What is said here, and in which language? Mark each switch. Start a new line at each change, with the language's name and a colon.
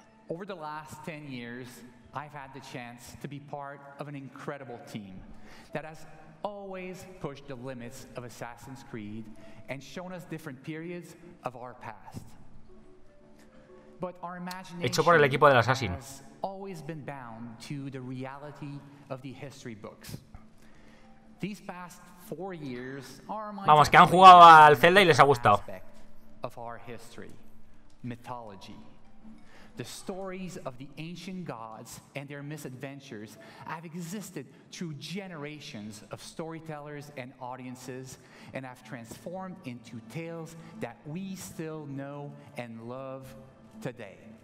English: Over the last 10 years, I've had the chance to be part of an incredible team that has always pushed the limits of Assassin's Creed and shown us different periods of our past.
Spanish: hecho por el equipo del Assassin.
English: Always been bound to the reality of the history books. These past 4 years are my
Spanish: Vamos, que han jugado al Zelda y les ha gustado.
English: Of our history, mythology. The stories of the ancient gods and their misadventures have existed through generations of storytellers and audiences and have transformed into tales that we still know and love today.